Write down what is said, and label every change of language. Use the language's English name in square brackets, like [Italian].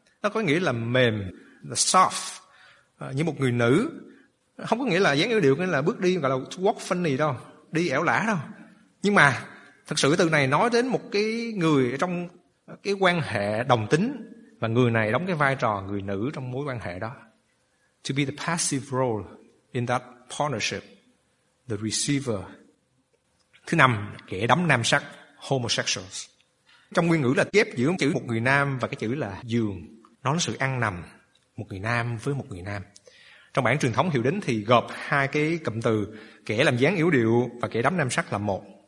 [Vietnamese] Nó có nghĩa là mềm, là soft, như một người nữ. Không có nghĩa là dáng yểu điệu, nghĩa là bước đi gọi là [English] walk funny [Vietnamese] đâu, đi ẻo lả đâu. Nhưng mà thật sự từ này nói đến một cái người trong cái quan hệ đồng tính, và người này đóng cái vai trò người nữ trong mối quan hệ đó. [English] To be the passive role in that partnership, the receiver. [Vietnamese] Thứ năm, kẻ đắm nam sắc, homosexuals. Trong nguyên ngữ là ghép giữa chữ một người nam và cái chữ là giường. Nó là sự ăn nằm, một người nam với một người nam. Trong bản truyền thống hiểu đến thì gộp hai cái cụm từ kẻ làm dáng yếu điệu và kẻ đắm nam sắc là một.